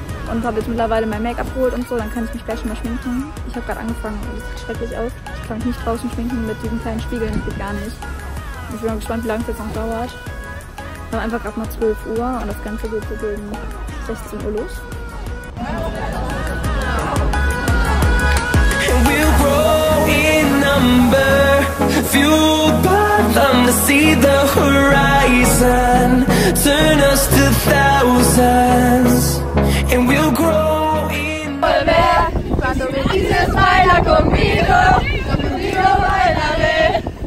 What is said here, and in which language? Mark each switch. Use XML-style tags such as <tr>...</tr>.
<de>Und habe jetzt mittlerweile mein Make-up geholt und so, dann kann ich mich gleich schon mal schminken. Ich habe gerade angefangen und es sieht schrecklich aus. Ich kann mich nicht draußen schminken mit diesen kleinen Spiegeln, das geht gar nicht. Ich bin mal gespannt, wie lange es jetzt noch dauert. Wir haben einfach gerade mal 12 Uhr und das Ganze geht so gegen 16 Uhr los.</de> <en>We'll grow in number, fueled by them to see the horizon, turn us to thousands. And we'll grow in the back.</en> <es>Cuando me dices baila conmigo, conmigo baila ve.</es>